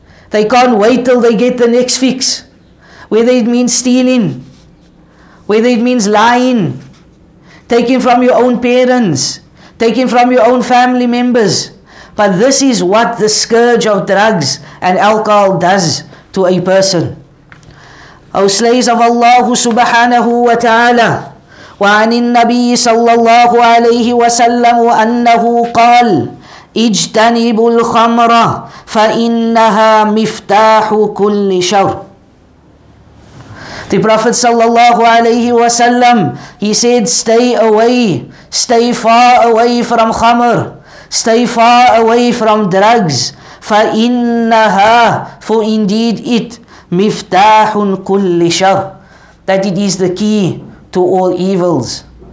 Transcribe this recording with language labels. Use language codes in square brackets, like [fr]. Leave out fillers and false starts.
[en] They can't wait till they get the next fix. Whether it means stealing, whether it means lying, taking from your own parents, taking from your own family members. But this is what the scourge of drugs and alcohol does to a person. O slaves of Allah subhanahu wa ta'ala, [ar] وعن النبي صلى الله عليه وسلم أنه قال اجتنبوا الخمر فإنها مفتاح كل شر. [en] The Prophet [ar] صلى الله عليه وسلم, [en] he said, stay away, stay far away from khamr, stay far away from drugs. [ar] فإنها, [en] for indeed it, [ar] مفتاح كل شر, [en] that it is the key to all evils.